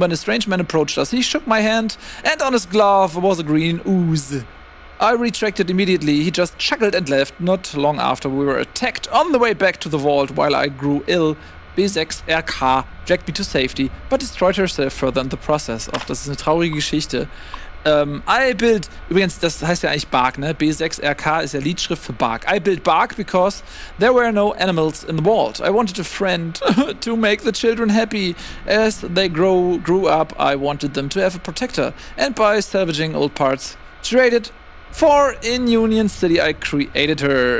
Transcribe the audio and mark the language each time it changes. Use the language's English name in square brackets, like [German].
[English] When a strange man approached us, he shook my hand and on his glove was a green ooze. I retracted immediately. He just chuckled and left not long after we were attacked on the way back to the vault while I grew ill. B6 RK dragged me to safety, but destroyed herself further in the process. [German] Och, das ist eine traurige Geschichte. [English] I built, [German] übrigens, das heißt ja eigentlich Bark, ne? B6 RK ist ja Liedschrift für Bark. [English] I built Bark because there were no animals in the vault. I wanted a friend to make the children happy. As they grew up, I wanted them to have a protector. And by salvaging old parts, traded for in Union City, I created her.